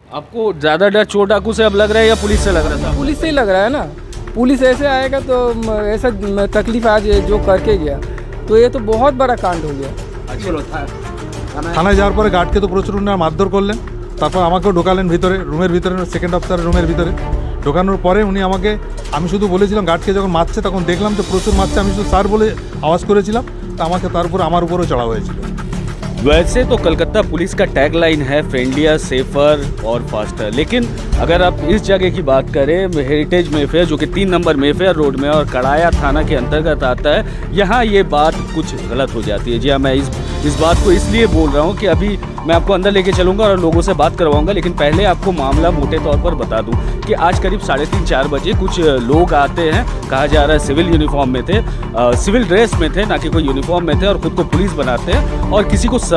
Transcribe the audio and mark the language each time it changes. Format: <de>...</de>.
<hi>आपको ज्यादा डर चोर डाकू से अब लग रहा है या पुलिस से लग रहा था? पुलिस से ही लग रहा है ना, पुलिस ऐसे आएगा तो ऐसा तकलीफ आज जो करके गया तो ये तो बहुत बड़ा कांड हो गया।</hi> <bn>थाना जाने पर गार्ड के तो प्रचुर उन्होंने मारधर कर लें, তারপর আমাকে ঢোকালেন ভিতরে রুমের ভিতরে, সেকেন্ড অফিসার রুমের ভিতরে ঢোকানোর পরে উনি আমাকে, আমি শুধু বলেছিলাম গার্ডকে যখন মারছে তখন দেখলাম যে প্রচুর মারছে, আমি শুধু স্যার বলে আওয়াজ করেছিলাম, তা আমাকে তারপর আমার উপরও চড়া হয়েছিল।</bn> <hi>वैसे तो कलकत्ता पुलिस का टैग लाइन है फ्रेंडलियर सेफर और फास्टर, लेकिन अगर आप इस जगह की बात करें हेरिटेज मेफेयर जो कि 3 नंबर मेफेयर रोड में और कड़ाया थाना के अंतर्गत आता है, यहाँ ये बात कुछ गलत हो जाती है। जी हाँ, मैं इस बात को इसलिए बोल रहा हूँ कि अभी मैं आपको अंदर लेके चलूँगा और लोगों से बात करवाऊँगा, लेकिन पहले आपको मामला मोटे तौर पर बता दूँ कि आज करीब 3:30-4 बजे कुछ लोग आते हैं, कहा जा रहा है सिविल यूनिफॉर्म में थे, सिविल ड्रेस में थे, ना कि कोई यूनिफॉर्म में थे, और खुद को पुलिस बनाते हैं और किसी को</hi>